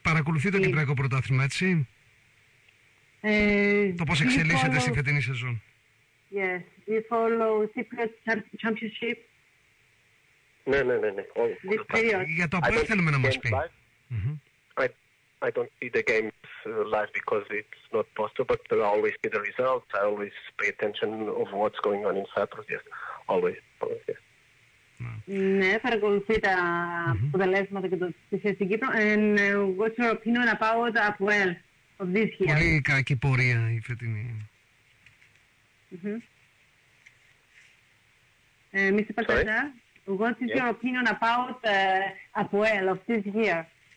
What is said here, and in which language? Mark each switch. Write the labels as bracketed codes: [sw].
[el] Παρακολουθεί το Κυπριακό Πρωτάθλημα, έτσι, το πώς εξελίσσεται στη φετινή σεζόν. [en] Yes, we follow Cyprus Championship. [el] Ναι. Για το ΑΠΟΕΛ θέλουμε να μας πει. [en] I don't see the games live because it's not possible, but I always see the results. I always pay attention of what's going on in Cyprus. Yes, always. [el] Ναι, παρακολουθεί τα αποτελέσματα και το στοιχείο στην Κύπρο. [en] And what's your opinion about the APOEL of this year? [el] Πολύ κακή πορεία η φετινή. [en] Mr. Patata, what is your opinion about the APOEL of this year?